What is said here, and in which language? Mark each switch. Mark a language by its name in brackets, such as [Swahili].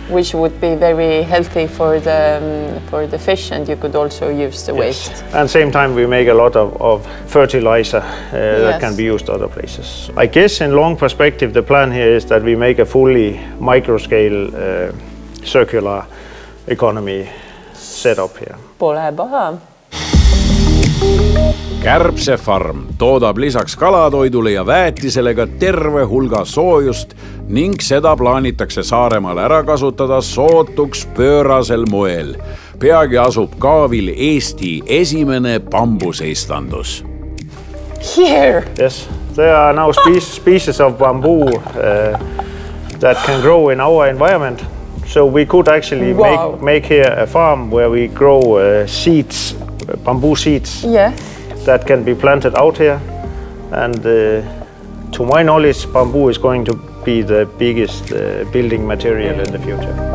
[English] Which would be very healthy for the fish, and you could also use the waste. Yes. And same time we make a lot of fertilizer that can be used other places. I guess in long perspective the plan here is that we make a fully microscale circular economy setup here. [Estonian] Pole paha. Kärbse farm toodab lisaks kalatoidule ja väetisele ka terve hulga soojust ning seda plaanitakse Saaremaal ära kasutada sootuks pöörasel moel. Peagi asub Kaavil Eesti esimene bambuseistandus. [English] Here. Yes. There are now species of bamboo that can grow in our environment. So we could actually make here a farm where we grow seeds, bamboo seeds. Yeah. That can be planted out here, and to my knowledge, bamboo is going to be the biggest building material in the future.